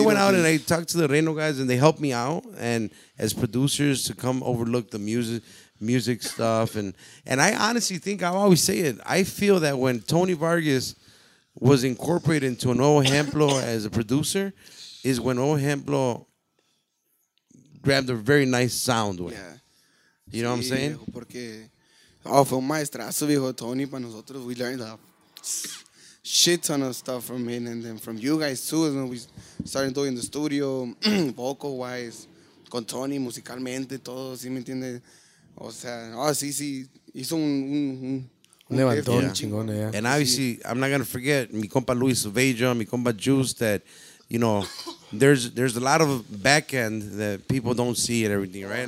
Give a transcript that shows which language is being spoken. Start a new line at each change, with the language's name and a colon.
English: went out and I talked to the Reno guys, and they helped me out and as producers to come overlook the music stuff. And I honestly think, I always say it, I feel that when Tony Vargas was incorporated into an Nuevo Ejemplo as a producer is when Nuevo Ejemplo grabbed a very nice sound. Way. Yeah. You know what I'm saying?
Spanish: Porque, fue un maestrazo, viejo, Tony, para nosotros.
English: We learned that. Shit ton of stuff from him and then from you guys too. And we started doing the studio vocal wise
Spanish: con Tony musicalmente todo, ¿sí me entiende? O sea, sí hizo un levantón chingón, yeah.
English: And obviously, I'm not gonna forget
Spanish: mi compa Luis Vega, mi compa Juice,
English: that, you know, there's a lot of back end that people don't see and everything, right?